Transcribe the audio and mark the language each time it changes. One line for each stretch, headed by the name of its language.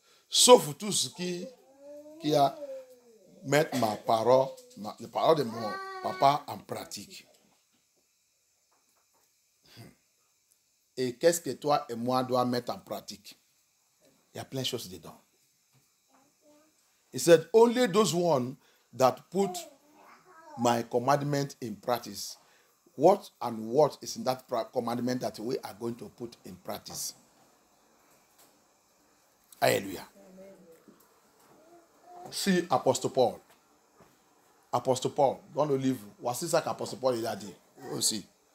French: Sauf tout ce qui a mettre ma parole, la parole de mon papa en pratique. Et qu'est-ce que toi et moi doit mettre en pratique? Il y a plein de choses dedans.
English: He said, only those one that put my commandment in practice. What and what is in that commandment that we are going to put in practice? Alléluia.
French: Si Apostle Paul, dans le livre, voici ça qu'Apostle Paul il a dit aussi.